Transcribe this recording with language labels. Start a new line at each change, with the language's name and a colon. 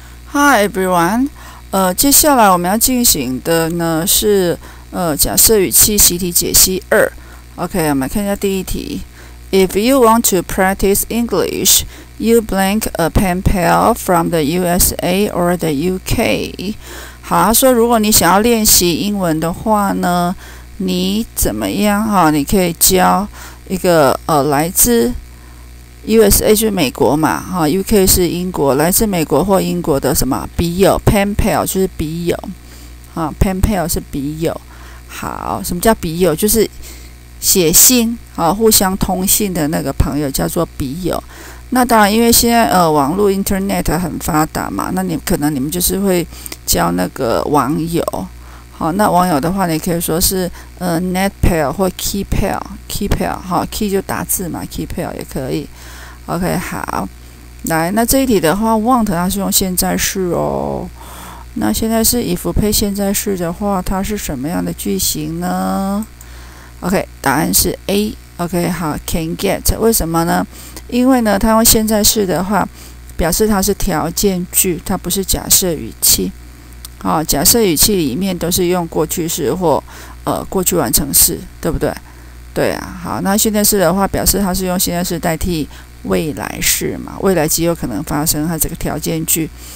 English: Hi everyone，
Chinese: 接下来我们要进行的呢是假设语气习题解析二。 OK， 我们看一下第一题。
English: If you want to practice English, you blank a pen pal from the USA or the UK。
Chinese: 好，说如果你想要练习英文的话呢，你怎么样哈？你可以交一个来自。USA 就是美国嘛，哈 ，UK 是英国，来自美国或英国的什么笔友 ，pen pal 就是笔友，啊 ，pen pal 是笔友。好，什么叫笔友？就是写信，啊，互相通信的那个朋友叫做笔友。那当然，因为现在网络 Internet 很发达嘛，那你可能你们就是会交那个网友。好，那网友的话，你可以说是net pal 或 key pal，key pal 哈 ，key 就打字嘛 ，key pal 也可以。 OK， 好，来，那这一题的话 ，want 它是用现在式哦。那现在是 if 配现在式的话，它是什么样的句型呢 ？OK， 答案是 A。 OK， 好 ，can get 为什么呢？因为呢，它用现在式的话，表示它是条件句，它不是假设语气。好，假设语气里面都是用过去式或过去完成式，对不对？对啊。好，那现在式的话，表示它是用现在式代替未来式嘛，未来极有可能发生，它这个条件句。